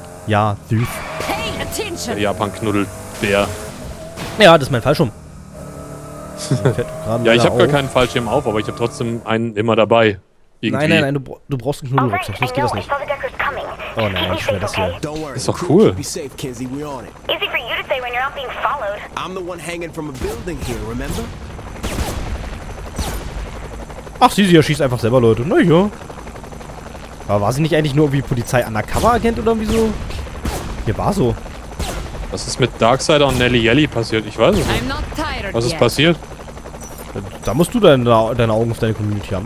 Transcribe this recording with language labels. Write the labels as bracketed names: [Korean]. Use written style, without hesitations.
[German] Ja, süß. [English] Pay attention. [German] Der Japan-Knuddelbär. Ja, das ist mein Fallschirm. Ja, ich hab gar keinen Fallschirm auf, aber ich hab trotzdem einen immer dabei. Irgendwie. Nein, du brauchst einen Knuddelrucksack, sonst geht das nicht. Oh nein, ich schwör das hier. Ist doch cool. [English] Easy for you to say when you're not being followed. I'm the one hanging from a building here, remember? [German] Ach, sie erschießt einfach selber Leute. Naja. Aber war sie nicht eigentlich nur irgendwie Polizei-Undercover-Agent oder wieso? Hier war so. Was ist mit Darkseid und Nelly Yelly passiert? Ich weiß es nicht. Was ist passiert? Da musst du deine Augen auf deine Community haben.